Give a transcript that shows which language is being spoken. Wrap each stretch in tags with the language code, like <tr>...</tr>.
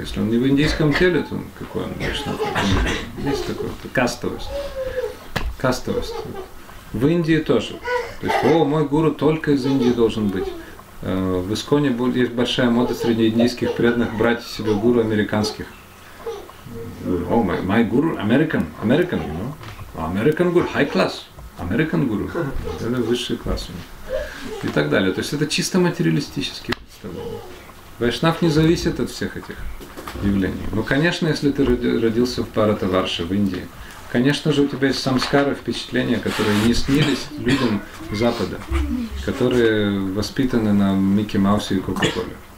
<ru>Если он не в индийском теле, то какой он вайшнав? Есть такое, это кастовость. Кастовость. В Индии тоже. То есть, мой гуру только из Индии должен быть. В Исконе есть большая мода среди индийских преданных брать себе гуру американских.</ru> <en>О, my guru American, American, you know? American guru, high class, American guru,</en> <ru>это высший класс у них. И так далее. То есть это чисто материалистические представления. Вайшнав не зависит от всех этих явлений. Но, конечно, если ты родился в Паратаварше, в Индии, конечно же, у тебя есть самскары, впечатления, которые не снились людям Запада, которые воспитаны на Микки Маусе и Кока-Коле.</ru>